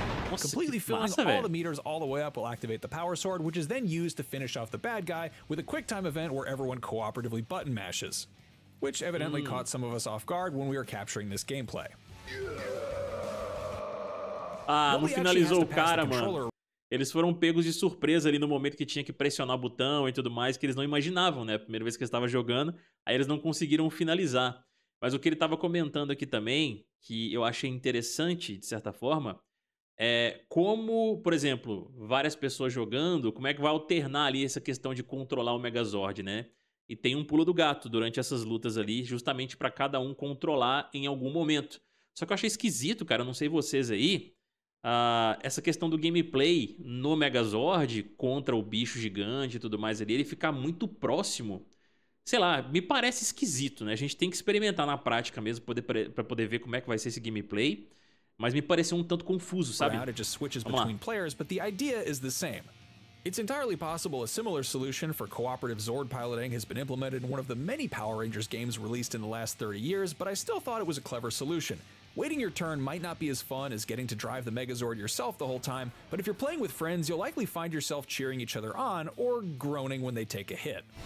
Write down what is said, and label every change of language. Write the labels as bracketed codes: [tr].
[pt] Nossa, [en] completely filling [pt] massa, [en] all [pt] véio. [en] The meters all the way up will activate the power sword, which is then used to finish off the bad guy with a quick time event where everyone cooperatively button mashes. Which evidently caught some of us off guard when we were capturing this gameplay. [pt] Ah, não finalizou o cara, mano. Eles foram pegos de surpresa ali no momento que tinha que pressionar o botão e tudo mais, que eles não imaginavam, né? A primeira vez que eles estavam jogando, aí eles não conseguiram finalizar. Mas o que ele estava comentando aqui também, que eu achei interessante, de certa forma, é como, por exemplo, várias pessoas jogando, como é que vai alternar ali essa questão de controlar o Megazord, né? E tem um pulo do gato durante essas lutas ali, justamente para cada um controlar em algum momento. Só que eu achei esquisito, cara, eu não sei vocês aí, essa questão do gameplay no Megazord contra o bicho gigante e tudo mais ali, ele ficar muito próximo. Sei lá, me parece esquisito, né? A gente tem que experimentar na prática mesmo para poder ver como é que vai ser esse gameplay. Mas me pareceu um tanto confuso, sabe? [en] It just switches between players, but the idea is the same. It's entirely possible a similar solution for cooperative Zord piloting has been implemented in one of the many Power Rangers games released in the last 30 years, but I still thought it was a clever solution. Waiting your turn might not be as fun as getting to drive the Megazord yourself the whole time, but if you're playing with friends, you'll likely find yourself cheering each other on or groaning when they take a hit.